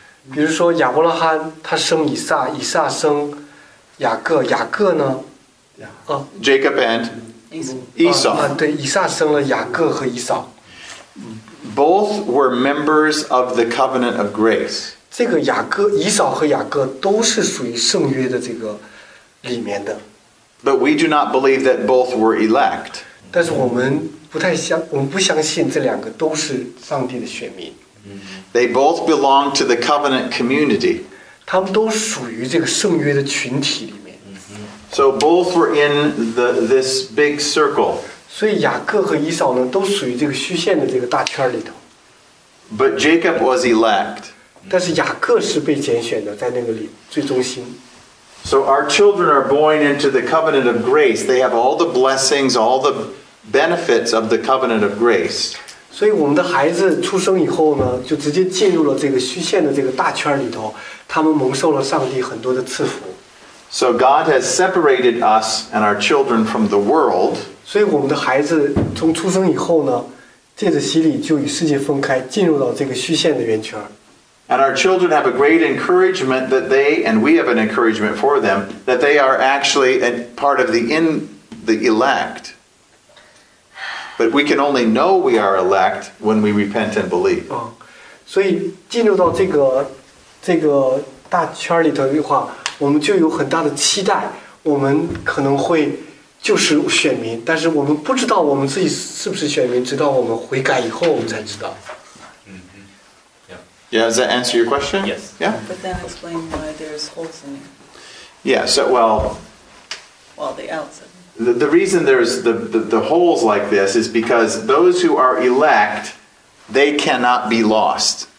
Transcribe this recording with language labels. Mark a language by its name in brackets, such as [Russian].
[Chinese] 比如说亚伯拉罕，他生以撒，以撒生雅各，雅各呢？ [English] Jacob and Esau. [Chinese] 对，以撒生了雅各和以扫。 [English] Both were members of the covenant of grace. [Chinese] 这个雅各、以扫和雅各都是属于圣约的这个里面的。 [English] But we do not believe that both were elect. [Chinese] 但是我们不太相，我们不相信这两个都是上帝的选民。 [English] They both belong to the covenant community. [Chinese] 他们都属于这个圣约的群体里。 [English] So both were in this big circle. [Chinese] 所以雅各和以扫呢，都属于这个虚线的这个大圈里头。 [English] But Jacob was elect. [Chinese] 但是雅各是被拣选的，在那个里最中心。 [English] So our children are born into the covenant of grace. They have all the blessings, all the benefits of the covenant of grace. [Chinese] 所以我们的孩子出生以后呢，就直接进入了这个虚线的这个大圈里头，他们蒙受了上帝很多的赐福。 [English] So God has separated us and our children from the world. [Chinese] 所以我们的孩子从出生以后呢，借着洗礼就与世界分开，进入到这个虚线的圆圈。 [English] And our children have a great encouragement that they, and we have an encouragement for them, that they are actually a part of the elect. But we can only know we are elect when we repent and believe. [Chinese] 所以进入到这个大圈里头的话，我们就有很大的期待，我们可能会就是选民，但是我们不知道我们自己是不是选民，直到我们悔改以后，我们才知道。 [English] Yeah, does that answer your question? Yes. Yeah. But then explain why there's holes in it. Yeah. So the outside. The reason there's the holes like this is because those who are elect, they cannot be lost.